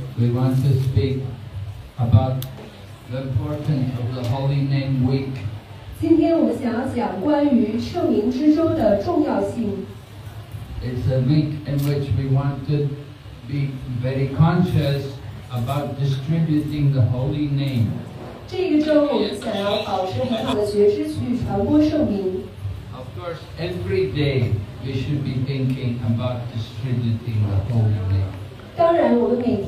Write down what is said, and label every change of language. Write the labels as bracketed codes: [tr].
[en] we want to speak about the importance of the Holy Name Week. [zh] 今天我们想要讲关于圣名之舟的重要性。It's [en] a week in which we want to be very conscious about distributing the holy name. [zh] 这一周我们想要保持很好的觉知去传播圣名。Of [en] course, every day we should be thinking about distributing the holy name.